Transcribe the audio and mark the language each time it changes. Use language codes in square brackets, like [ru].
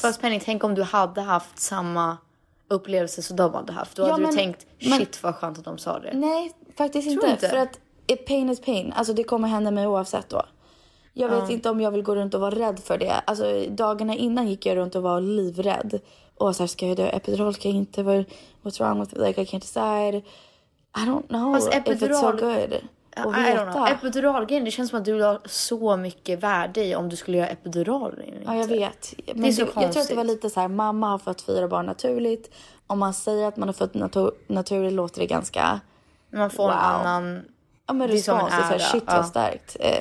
[sv] Fast Penny, tänk om du hade haft samma upplevelse som de hade haft. Då hade du tänkt, shit vad skönt att de sa det. Nej, faktiskt inte. För att [en] pain is pain. [sv] Alltså det kommer hända mig oavsett då. Jag vet inte om jag vill gå runt och vara rädd för det. Alltså dagarna innan gick jag runt och var livrädd. Och så här, ska jag dö? Epidural, ska jag inte? [en] What's wrong with it? Like, I can't decide. I don't know if it's so good. [sv] Epiduralgrejen, det känns som att du har så mycket värde i om du skulle göra epidural. Ja, jag vet. Men det är så konstigt. Jag tror att det var lite så här, mamma har fått 4 barn naturligt. Om man säger att man har fått naturligt låter det ganska... Man får en annan... Ja, men respons är såhär, shit vad starkt.